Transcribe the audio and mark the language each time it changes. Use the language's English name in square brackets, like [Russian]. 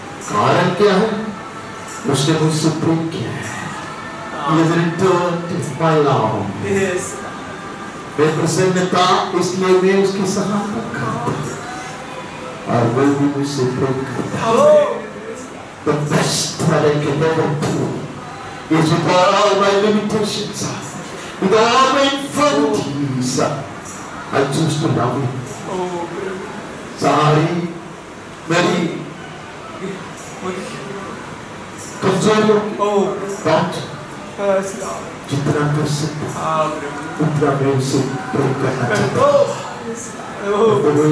[Hindi] कारण क्या है? उसने मुझसे प्रेम किया है। [English] You've returned my love. Yes. [Hindi] मैं प्रसन्नता इसलिए मैं उसकी सहायता करता हूँ और वो भी मुझसे प्रेम करता है। [English] The best that I can ever do is with all my limitations, with all my infirmities, I choose to love him. [Hindi] सारी मेरी कमजोरियों बट जितना कर सकते उतना मैं उसे प्रेम करना चाहता हूँ।